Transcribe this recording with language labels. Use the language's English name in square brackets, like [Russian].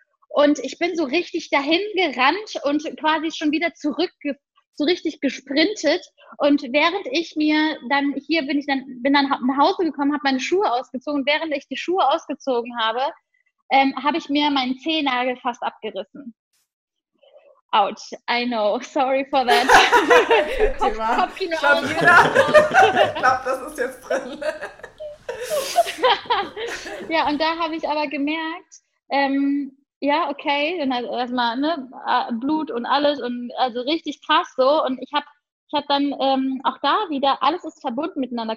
[German] Und ich bin so richtig dahin gerannt und quasi schon wieder so richtig gesprintet. Und während ich mir dann, bin dann nach Hause gekommen, habe meine Schuhe ausgezogen. Während ich die Schuhe ausgezogen habe, habe ich mir meinen Zehennagel fast abgerissen. [English] Ouch, I know, sorry for that. [German] Kopfkino aus. Ich glaube, das ist jetzt drin. Ja, und da habe ich aber gemerkt, ja, okay, dann erstmal ne, Blut und alles und also richtig krass so. Und ich hab dann auch da wieder, alles ist verbunden miteinander.